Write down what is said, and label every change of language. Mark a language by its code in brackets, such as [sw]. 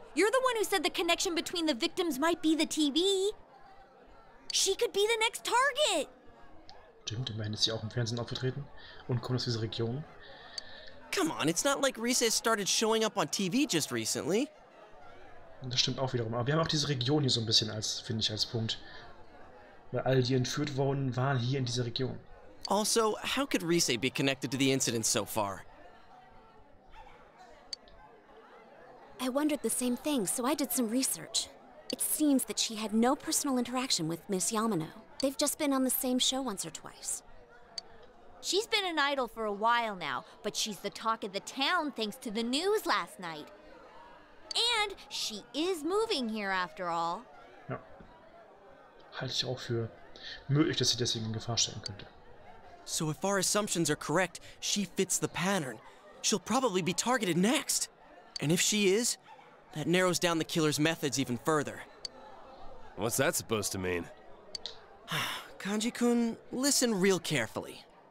[en] You're the one who said the connection between the victims might be the TV. She could be the next target. [de] Stimmt, immerhin ist sie auch im Fernsehen aufgetreten und kommt aus dieser Region. [en] Come on, it's not like Risa started showing up on TV just recently. [de] Das stimmt auch wiederum, aber wir haben auch diese Region hier so ein bisschen als, finde ich, als Punkt. Weil all die entführt worden waren hier in dieser Region. [en] Also, how could Risa be connected to the incident so far? I wondered the same thing, so I did some research. It seems that she had no personal interaction with Miss Yamano. They've just been on the same show once or twice. She's been an idol for a while now, but she's the talk of the town thanks to the news last night. And she is moving here after all. [de] Ja. Halte ich auch für möglich, dass sie deswegen in Gefahr stehen könnte. [en] So if our assumptions are correct, she fits the pattern. She'll probably be targeted next. And if she is, that narrows down the killer's methods even further. What's that supposed to mean? Kanji-kun, listen real carefully.